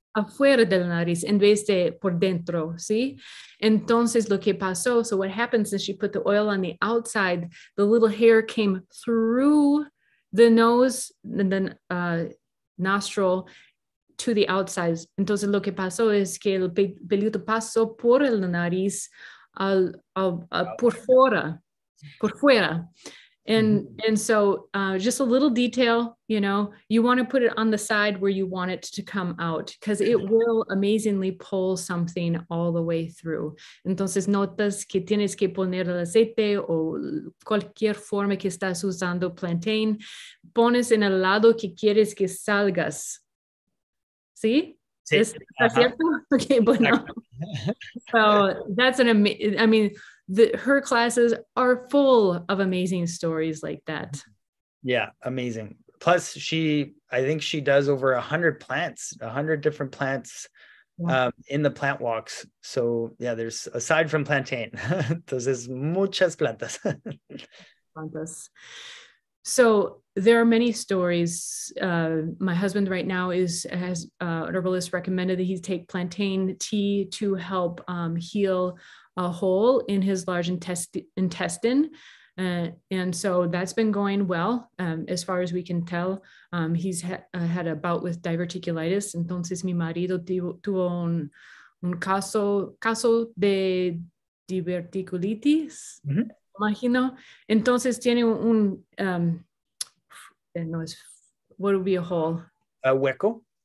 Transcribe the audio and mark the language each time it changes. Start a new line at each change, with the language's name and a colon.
Spanish: Afuera del nariz, en vez de por dentro, ¿sí? Entonces lo que pasó,
English: so what happens is she put the oil on the outside, the little hair came through the nose, and then nostril to the outside.
Spanish: Entonces lo que pasó es que el pelito pasó por el nariz por fuera.
English: And mm-hmm. And so just a little detail, you know, you want to put it on the side where you want it to come out, because it will amazingly pull something all the way through.
Spanish: Entonces notas que tienes que poner el aceite o cualquier forma que estás usando plantain, pones en el lado que quieres que salgas. ¿Sí? Sí. ¿Está cierto? Okay, bueno.
English: So that's an amazing, I mean, her classes are full of amazing stories like that. Yeah, amazing. Plus, I think she does over 100 plants, 100 different plants, yeah. In the plant walks. So yeah, there's, aside from plantain,
Spanish: entonces muchas plantas.
English: Plantas. So there are many stories. My husband right now has an herbalist recommended that he take plantain tea to help heal a hole in his large intestine. And so that's been going well, as far as we can tell. He's had a bout with diverticulitis.
Spanish: Entonces mi marido tuvo un caso de diverticulitis, mm-hmm. imagino. Entonces tiene un, no es,
English: what would be a hole?
Spanish: A hueco.